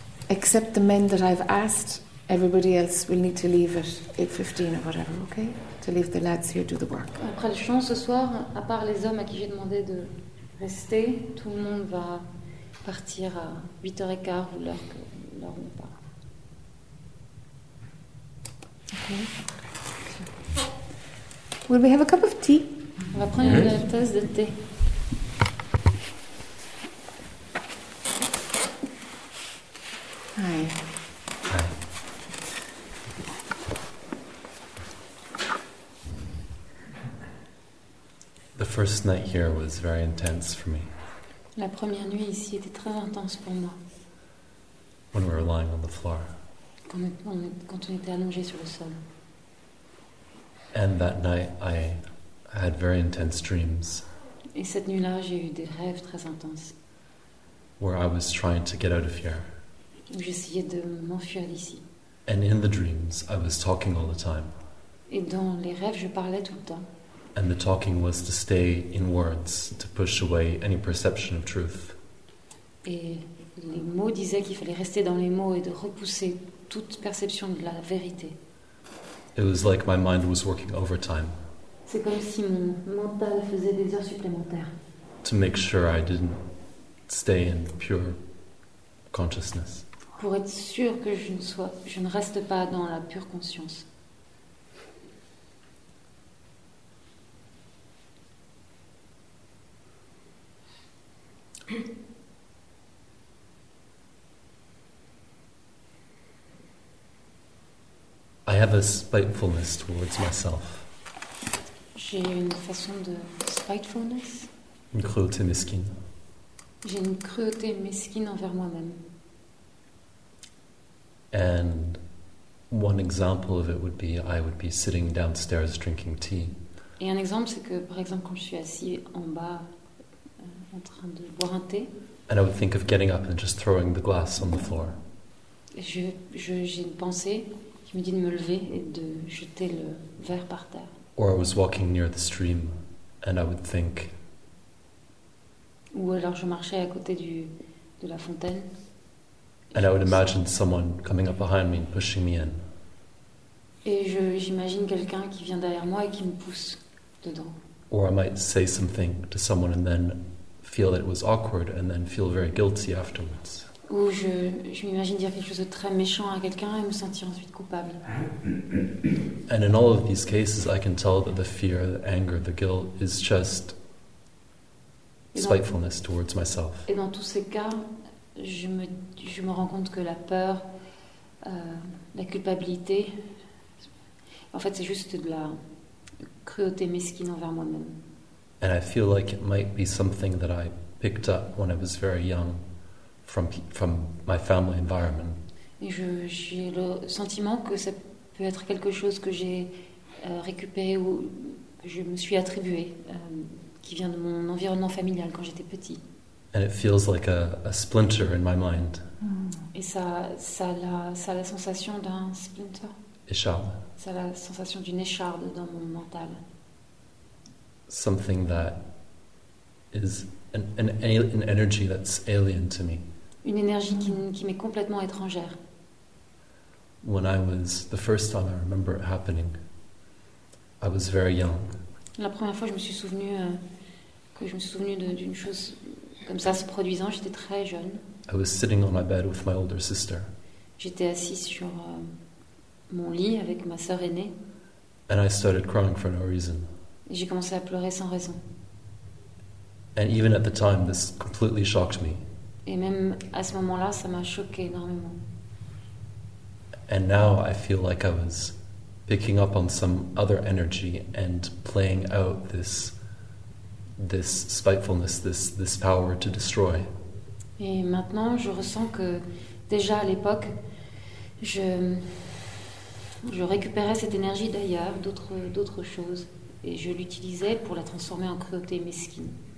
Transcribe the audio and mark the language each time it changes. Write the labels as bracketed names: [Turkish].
[English] except the men that I've asked, everybody else will need to leave at 8:15 or whatever, okay? To leave the lads here to do the work. [French] Après le chant ce soir, à part les hommes à qui j'ai demandé de rester, tout le monde va partir à 8h15 ou l'heure ou pas. [English] Okay. Will we have a cup of tea? [French] On va prendre une tasse de thé. [English] Hi. The first night here was very intense for me. [French] La première nuit ici était très intense pour moi. [English] When we were lying on the floor. [French] Quand on était allongé sur le sol. [English] And that night I had very intense dreams. [French] Et cette nuit-là, j'ai eu des rêves très intenses. [English] Where I was trying to get out of here. [French] Où j'essayais de m'enfuir d'ici. [English] And in the dreams, I was talking all the time. [French] Et dans les rêves, je parlais tout le temps. [English] And the talking was to stay in words, to push away any perception of truth. [French] Et les mots disaient qu'il fallait rester dans les mots et de repousser toute perception de la vérité. [English] It was like my mind was working overtime. [French] C'est comme si mon mental faisait des heures supplémentaires. [English] To make sure I didn't stay in pure consciousness. [French] Pour être sûr que je ne reste pas dans la pure conscience. [English] I have a spitefulness towards myself. [French] J'ai une façon de spitefulness. Une cruauté mesquine. J'ai une cruauté mesquine envers moi-même. [English] And one example of it would be I would be sitting downstairs drinking tea. [French] Et un exemple, c'est que par exemple quand je suis assis en bas en train de boire un thé. [English] And I would think of getting up and just throwing the glass on the floor. [French] J'ai une pensée qui me dit de me lever et de jeter le verre par terre. [English] Or I was walking near the stream and I would think. [French] Ou alors je marchais à côté de la fontaine. [English] And I would imagine someone coming up behind me and pushing me in. [French] Et j'imagine quelqu'un qui vient derrière moi et qui me pousse dedans. [English] Or I might say something to someone and then feel that it was awkward and then feel very guilty afterwards. [French] Ou je m'imagine dire quelque chose de très méchant à quelqu'un et me sentir ensuite coupable. [English] And in all of these cases, I can tell that the fear, the anger, the guilt is just spitefulness towards myself. [French] Et dans tous ces cas, je me rends compte que la peur, la culpabilité, en fait, c'est juste de la cruauté mesquine envers moi-même. [English] And I feel like it might be something that I picked up when I was very young. From my family environment. [French] Et j'ai le sentiment que ça peut être quelque chose que j'ai récupéré ou que je me suis attribué, qui vient de mon environnement familial quand j'étais petit. [English] And it feels like a splinter in my mind. [French] Et ça a la sensation d'un splinter. Écharde. Ça a la sensation d'une écharde dans mon mental. [English] Something that is an energy that's alien to me. [French] Une énergie qui m'est complètement étrangère. [English] When I was the first time I remember it happening, I was very young. [French] La première fois je me suis souvenu d'une chose comme ça se produisant, j'étais très jeune. [English] I was sitting on my bed with my older sister. [French] J'étais assise sur mon lit avec ma sœur aînée. [English] And I started crying for no reason. [French] Et j'ai commencé à pleurer sans raison. [English] And even at the time, this completely shocked me. [French] Et même à ce moment-là, ça m'a choqué énormément. [English] And now I feel like I was picking up on some other energy and playing out this spitefulness, this power to destroy. [French] Et maintenant, je ressens que déjà à l'époque, je récupérais cette énergie d'ailleurs, d'autres choses, et je l'utilisais pour la transformer en cruauté mesquine.